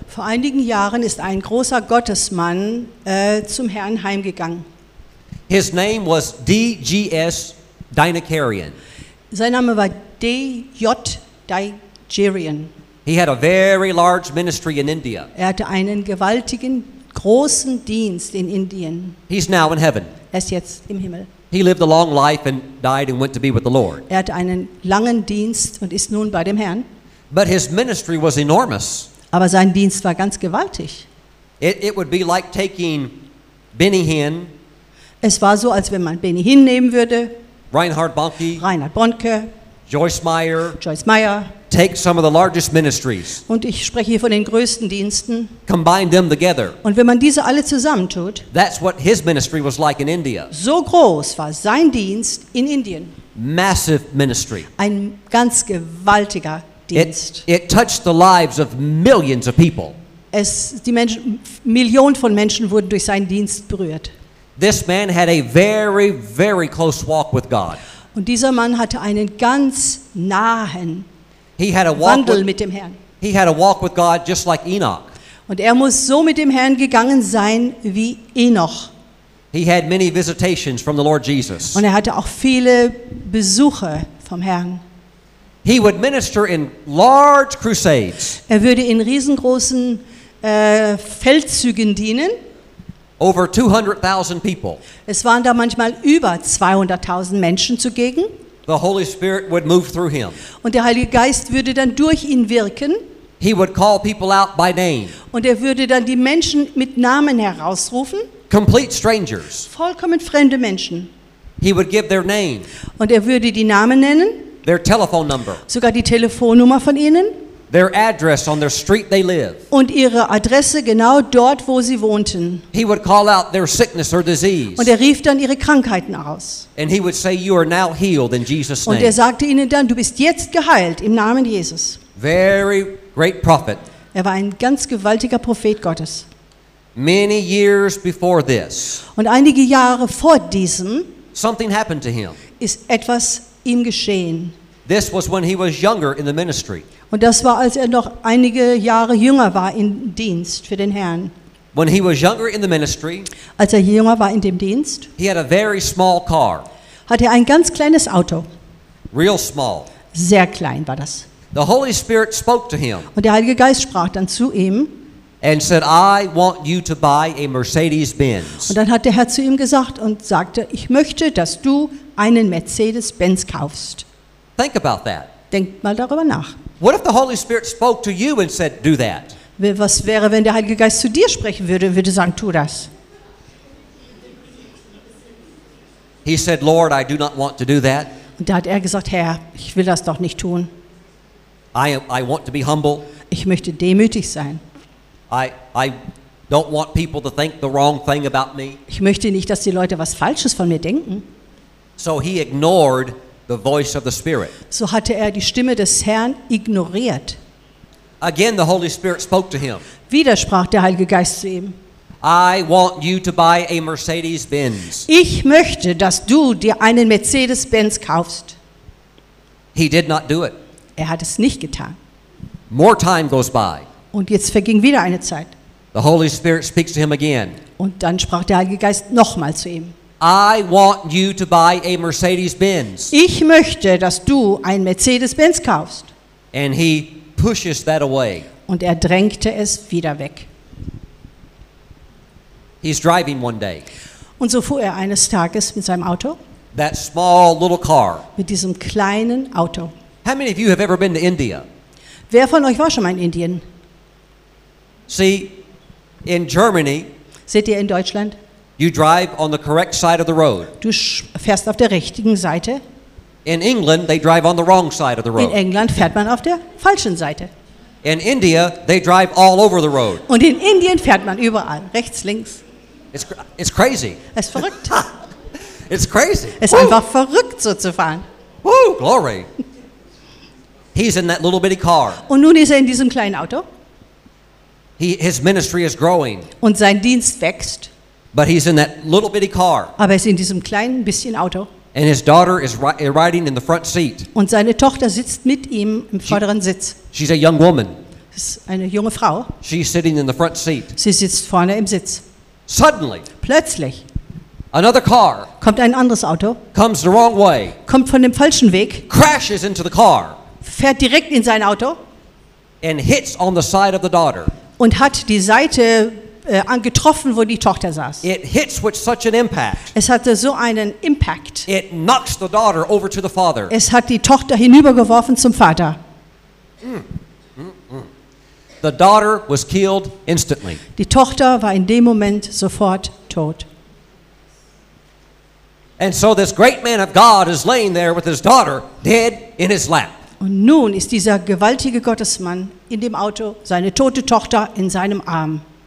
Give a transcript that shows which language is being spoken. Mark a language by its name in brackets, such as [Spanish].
[German] Vor einigen Jahren ist ein großer Gottesmann zum Herrn heimgegangen. [English] His name was D.G.S. Dinakarian. [German] Sein Name war D.J. Dinakarian. [English] He had a very large ministry in India. [German] Er hatte einen gewaltigen, großen Dienst in Indien. [English] He's now in heaven. [German] Er ist jetzt im Himmel. [English] He lived a long life and died and went to be with the Lord. [German] Er hatte einen langen Dienst und ist nun bei dem Herrn. [English] But his ministry was enormous. [German] Aber sein Dienst war ganz gewaltig. [English] It would be like taking Benny Hinn. [German] Es war so, als wenn man Benny Hinn nehmen würde. [English] Reinhard Bonnke. Joyce Meyer. Take some of the largest ministries. [German] Und ich spreche hier von den größten Diensten. [English] Combine them together. [German] Und wenn man diese alle zusammentut. [English] That's what his ministry was like in India. [German] So groß war sein Dienst in Indien. [English] Massive ministry. [German] Ein ganz gewaltiger Dienst. [English] It touched the lives of millions of people. [German] Es die Menschen, Millionen von Menschen wurden durch seinen Dienst berührt. [English] This man had a very, very close walk with God. [German] Und dieser Mann hatte einen ganz nahen Wandel mit dem Herrn. [English] He had a walk with God just like Enoch. [German] Und er muss so mit dem Herrn gegangen sein wie Enoch. [English] He had many visitations from the Lord Jesus. [German] Und er hatte auch viele Besuche vom Herrn. [English] He would minister in large crusades. [German] Er würde in riesengroßen Feldzügen dienen. [English] Over 200,000 people. [German] Es waren da manchmal über 200,000 Menschen zugegen. [English] The Holy Spirit would move through him. [German] Und der Heilige Geist würde dann durch ihn wirken. [English] He would call people out by name. [German] Und er würde dann die Menschen mit Namen herausrufen. [English] Complete strangers. [German] Vollkommen fremde Menschen. [English] He would give their name. [German] Und er würde die Namen nennen. [English] Their telephone number. [German] Sogar die Telefonnummer von ihnen. [English] Their address on their street they live. [German] Und ihre Adresse genau dort, wo sie wohnten. [English] He would call out their sickness or disease. [German] Und er rief dann ihre Krankheiten aus. [English] And he would say, "You are now healed in Jesus' name." [German] Und er sagte ihnen dann, du bist jetzt geheilt im Namen Jesus. [English] Very great prophet. [German] Er war ein ganz gewaltiger Prophet Gottes. [English] Many years before this. [German] Und einige Jahre vor diesem. [English] Something happened to him. [German] Ist etwas ihm geschehen. [English] This was when he was younger in the ministry. [German] Und das war, als er noch einige Jahre jünger war im Dienst für den Herrn. [English] When he was younger in the ministry, [German] als er jünger war in dem Dienst, [English] he had a very small car. [German] Hatte er ein ganz kleines Auto. [English] Real small. [German] Sehr klein war das. [English] The Holy Spirit spoke to him. [German] Und der Heilige Geist sprach dann zu ihm. [English] And said, "I want you to buy a Mercedes-Benz." [German] Und dann hat der Herr zu ihm gesagt und sagte, ich möchte, dass du einen Mercedes-Benz kaufst. [English] Think about that. [German] Denk mal darüber nach. [English] What if the Holy Spirit spoke to you and said, "Do that"? [German] Was wäre, wenn der Heilige Geist zu dir sprechen würde und würde sagen, tu das? [English] He said, "Lord, I do not want to do that." [German] Und da hat er gesagt, Herr, ich will das doch nicht tun. [English] I want to be humble. [German] Ich möchte demütig sein. [English] I don't want people to think the wrong thing about me. [German] Ich möchte nicht, dass die Leute was Falsches von mir denken. [English] So he ignored the voice of the Spirit. [German] So hatte er die Stimme des Herrn ignoriert. [English] Again, the Holy Spirit spoke to him. [German] Wieder sprach der Heilige Geist zu ihm. [English] I want you to buy a Mercedes-Benz. [German] Ich möchte, dass du dir einen Mercedes-Benz kaufst. [English] He did not do it. [German] Er hat es nicht getan. [English] More time goes by. [German] Und jetzt verging wieder eine Zeit. [English] The Holy Spirit speaks to him again. [German] Und dann sprach der Heilige Geist nochmal zu ihm. [English] I want you to buy a Mercedes-Benz. [German] Ich möchte, dass du einen Mercedes-Benz kaufst. [English] And he pushes that away. [German] Und er drängte es wieder weg. [English] He's driving one day. [German] Und so fuhr er eines Tages mit seinem Auto. [English] That small little car. [German] Mit diesem kleinen Auto. [English] How many of you have ever been to India? [German] Wer von euch war schon mal in Indien? [English] See, in Germany. [German] Seht ihr in Deutschland? [English] You drive on the correct side of the road. [German] Du fährst auf der richtigen Seite. [English] In England, they drive on the wrong side of the road. [German] In England fährt man auf der falschen Seite. [English] In India, they drive all over the road. [German] Und in Indien fährt man überall, rechts, links. [English] It's crazy. [German] Es ist verrückt. [English] It's crazy. [German] Es ist einfach verrückt, so zu fahren. [English] Woo, glory. He's in that little bitty car. [German] Und nun ist er in diesem kleinen Auto. [English] His ministry is growing. [German] Und sein Dienst wächst. [English] But he's in that little bitty car. [German] Aber er ist in diesem kleinen bisschen Auto. [English] And his daughter is riding in the front seat. [German] Und seine Tochter sitzt mit ihm im vorderen Sitz. [English] She's a young woman. [German] Ist eine junge Frau. [English] She's sitting in the front seat. [German] Sie sitzt vorne im Sitz. [English] Suddenly. [German] Plötzlich. [English] Another car. [German] Kommt ein anderes Auto. [English] Comes the wrong way. [German] Kommt von dem falschen Weg. [English] Crashes into the car. [German] Fährt direkt in sein Auto. [English] And hits on the side of the daughter. [German] Und hat die Seite angetroffen, wo die Tochter saß. [English] It hits with such an impact. [German] Es hatte so einen Impact. [English] It knocks the daughter over to the father. [German] Es hat die Tochter hinübergeworfen zum Vater. [English] The daughter was killed instantly. [German] Die Tochter war in dem Moment sofort tot. [English] And so this great man of God is laying there with his daughter dead in his lap. [German] Und nun ist dieser gewaltige Gottesmann in dem Auto, seine tote Tochter in seinem Arm.